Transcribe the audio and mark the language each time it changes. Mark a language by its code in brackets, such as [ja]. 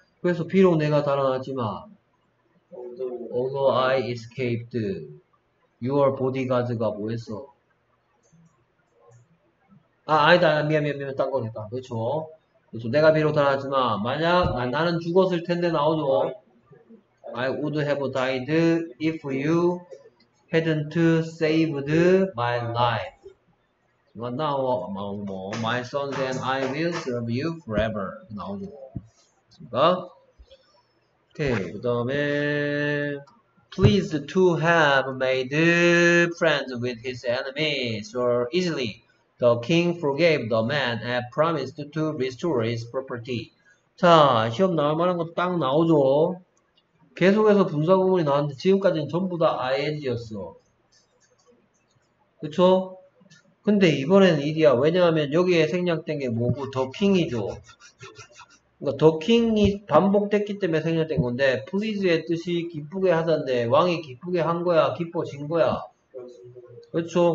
[ko] 그래서 비록 내가 달아났지만, [en] although I escaped, your bodyguard [ko] 가 뭐 했어? 아, 아니다. 미안. 딴 거 됐다. 그렇죠? 그렇죠. 내가 비록 달아났지만, 만약 나는 죽었을 텐데 나오죠. [en] I would have died if you hadn't saved my life. But now, my sons and I will serve you forever. [ko] 나오죠. 됐습니까? 오케이. 그 다음에, [en] pleased to have made friends with his enemies so easily. The king forgave the man and promised to restore his property. [ko] 자, 시험 나올 만한 것도 딱 나오죠. 계속해서 분사구문이 나왔는데 지금까지는 전부 다 ing였어. 그쵸? 근데 이번에는 일이야. 왜냐하면 여기에 생략된 게 뭐고? The king이죠. 그러니까 the king이 반복됐기 때문에 생략된 건데 please의 뜻이 기쁘게 하던데 왕이 기쁘게 한 거야? 기뻐진 거야? 그렇죠.